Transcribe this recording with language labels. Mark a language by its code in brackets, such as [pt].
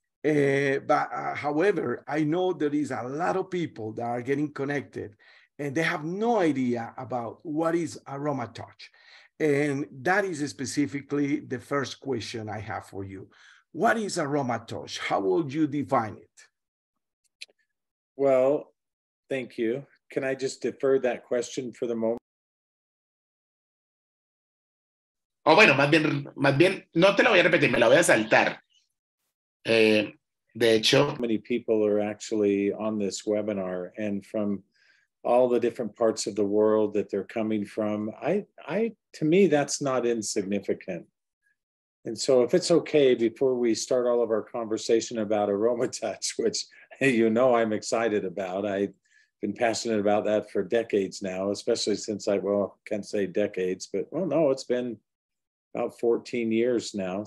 [en] However, I know there is a lot of people that are getting connected and they have no idea about what is AromaTouch. And that is specifically the first question I have for you. What is AromaTouch? How would you define it? Well, thank you. Can I just defer that question for the moment? [es] Oh, bueno, más bien, no te la voy a repetir, me la voy a saltar. De hecho, [en] many people are actually on this webinar and from all the different parts of the world that they're coming from. To me, that's not insignificant. And so if it's okay, before we start all of our conversation about AromaTouch, which you know I'm excited about, I've been passionate about that for decades now, especially since it's been about 14 years now.